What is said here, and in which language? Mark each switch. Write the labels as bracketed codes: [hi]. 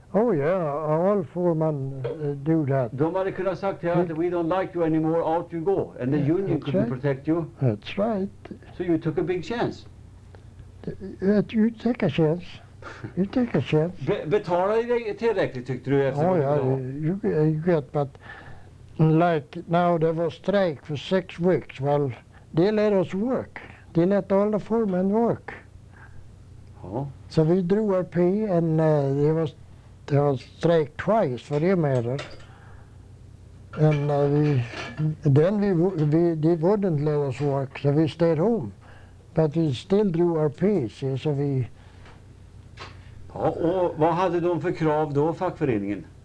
[en] Oh yeah, all foremen do that. [sv] De hade kunnat sagt till att [en] we don't like you anymore, out you go. And the union couldn't protect you. That's right. So you took a big chance. You take a chance. You take a chance. [sv] Betalade dig tillräckligt, tyckte du? [en] Oh yeah, you get, but like now there was strike for 6 weeks. Well, they let us work. They let all the foremen work. Oh. So we drew our pay and there was strike twice for the matter. And they wouldn't let us work, so we stayed home. But we still drew our pay, see, so we... [sv] Ja, och vad hade de för krav då, fackföreningen?